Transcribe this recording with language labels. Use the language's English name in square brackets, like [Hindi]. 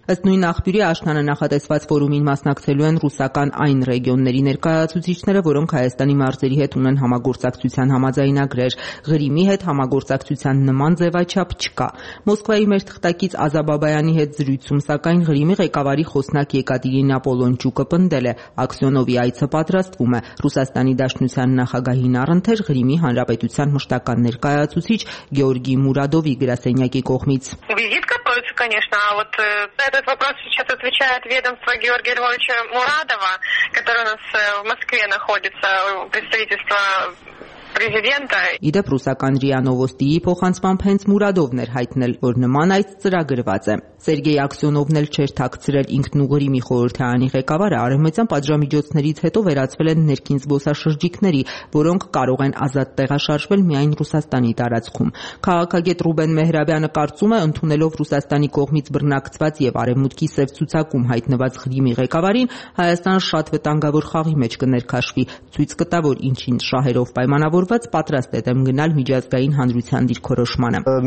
[Armenian] Ըստ նույն աղբյուրի, աշնանը նախատեսված ֆորումին մասնակցելու են ռուսական այն ռեգիոնների ներկայացուցիչները, որոնք Հայաստանի մարզերի հետ ունեն համագործակցության համաձայնագրեր։ Ղրիմի հետ համագործակցության նման ձևաչափ չկա։ Մոսկվայի մեր թղթակից Ազաբաբայանի հետ զրույցում, սակայն, Ղրիմի ղեկավարի խոսնակ Եկատերինա Պոլոնչուկը պնդել է, Աքսյոնովի այցը պատրաստվում է, Ռուսաստանի Դաշնության նախագահին առընթեր Ղրիմի Հանրապետության մշտական ներկայացուցիչ Գեորգի Մուրադովի գրասենյակի կողմից։ [Russian] Конечно, а вот на этот вопрос сейчас отвечает ведомство Георгия Львовича Мурадова, которое у нас в Москве находится, представительство президента. И да, [Armenian] Ռուսական ՌԻԱ Նովոստի փոխանցմամբ հենց Մուրադովն էր հայտնել, որ նման այդ ծրագրված է։ Սերգեյ Աքսյոնովն էլ չէր թաքցրել ինքնուղերի մի խորհրդարանի ղեկավարը, արևմտյան պատժամիջոցներից հետո վերածվել են ներքին զբոսաշրջիկների, որոնք կարող են ազատ տեղաշարժվել միայն Ռուսաստանի տարածքում։ Քաղաքագետ Ռուբեն Մեհրաբյանը կարծում է, ընդունելով Ռուսաստանի կողմից բռնակցված եւ արևմուտքի սև ցուցակում հայտնված Ղրիմի ղեկավարին, Հայաստանը շատ վտանգավոր խաղի մեջ կներքաշվի, ցույց կտա, որ ինչին շահերով պայմանավորված պատրաստ է դեմ գնալ միջազգային հանրության դիրքորոշմանը։